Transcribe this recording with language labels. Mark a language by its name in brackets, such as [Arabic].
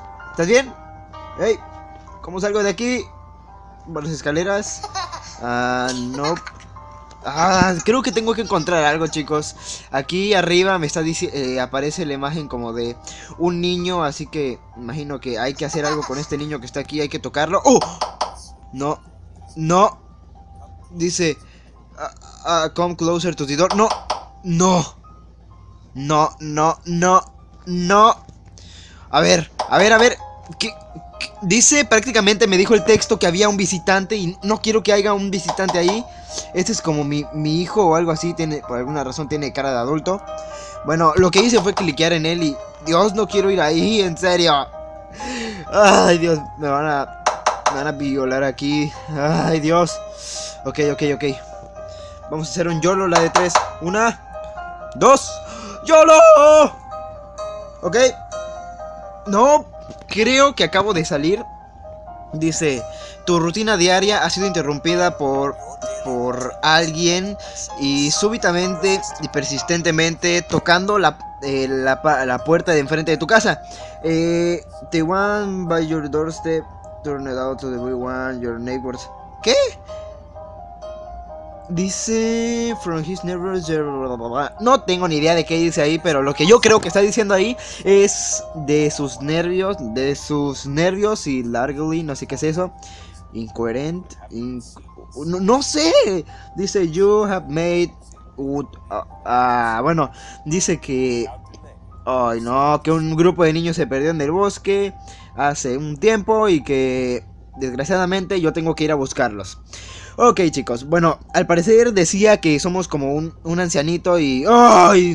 [Spanish] ¿Estás bien? Ey, ¿cómo salgo de aquí? Por las escaleras. No. Creo que tengo que encontrar algo, chicos. Aquí arriba me está aparece la imagen como de un niño, así que imagino que hay que hacer algo con este niño que está aquí, hay que tocarlo. ¡Oh! No, no. Dice, [English] come closer to the door. [Spanish] No, no. No, no, no, no. A ver. ¿Qué dice? Prácticamente me dijo el texto que había un visitante y no quiero que haya un visitante ahí. Este es como mi hijo o algo así, tiene, por alguna razón tiene cara de adulto. Bueno, lo que hice fue cliquear en él y... Dios, no quiero ir ahí, en serio. Ay, Dios, me van a violar aquí. Ay, Dios. Ok. Vamos a hacer un YOLO, la de 3. Una, dos, YOLO. Ok. No, creo que acabo de salir. Dice, tu rutina diaria ha sido interrumpida por alguien y súbitamente y persistentemente tocando la puerta de enfrente de tu casa. [English] The one by your doorstep turned out to the big one, your neighbors. [Spanish] ¿Qué? Dice, [English] from his neighbors, blah, blah, blah. [Spanish] No tengo ni idea de qué dice ahí, pero lo que yo creo que está diciendo ahí es de sus nervios y largely, no sé qué es eso. [English] Incoherent, [Spanish] no sé. Dice, [English] you have made [Spanish] Bueno, dice que... Ay, no, que un grupo de niños se perdió en el bosque hace un tiempo y que desgraciadamente yo tengo que ir a buscarlos. Ok, chicos, bueno, al parecer decía que somos como un ancianito y... ¡Ay!